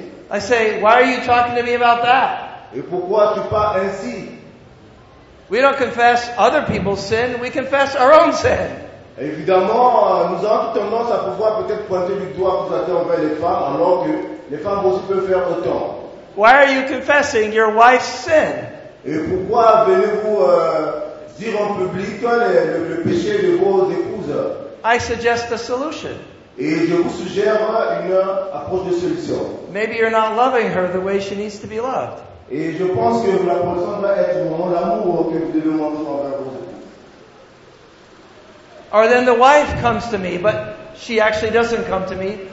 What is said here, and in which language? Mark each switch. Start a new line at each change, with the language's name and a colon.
English: I say, why are you talking to me about that? We don't confess other people's sin, we confess our own sin.
French: Évidemment, nous avons tendance à pouvoir peut-être pointer du doigt pour attirer envers les femmes, alors que les femmes aussi peuvent faire autant.
English: Why are you confessing your wife's sin?
French: Et pourquoi venez-vous dire en public le péché de vos épouses?
English: I suggest a solution.
French: Et je vous suggère une approche de solution.
English: Maybe you're not loving her the way she needs to be loved.
French: Et je pense que la position doit être vraiment l'amour que vous devez montrer envers vos épouses.
English: Or then the wife comes to me, but she actually doesn't come to me.